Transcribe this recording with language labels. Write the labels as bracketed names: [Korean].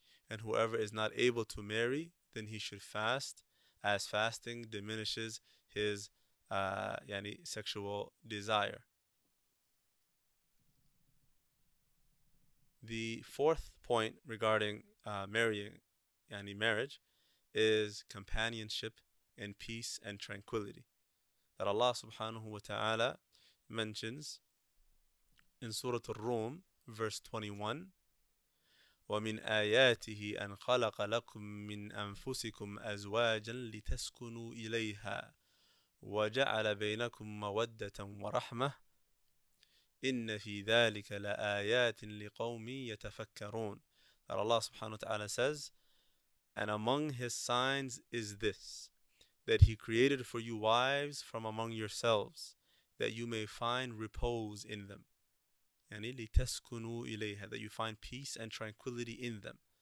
[English] And whoever is not able to marry, then he should fast, as fasting diminishes his sexual desire. The fourth point regarding marrying, marriage, is companionship and peace and tranquility. That Allah subhanahu wa ta'ala mentions in Surah Ar-Rum, verse 21, [Arabic] وَمِنْ آيَاتِهِ أَنْ خَلَقَ لَكُمْ مِنْ أَنفُسِكُمْ أَزْوَاجًا لِتَسْكُنُوا إِلَيْهَا وَجَعَلَ بَيْنَكُمْ مَوَدَّةً وَرَحْمَةً إِنَّ فِي ذَٰلِكَ لَآيَاتٍ لِقَوْمٍ يَتَفَكَّرُونَ. [English] That Allah subhanahu wa ta'ala says, and among his signs is this, that he created for you wives from among yourselves, that you may find repose in them. [Arabic] يعني لِتَسْكُنُوا إِلَيْهَا, [English] that you find peace and tranquility in them.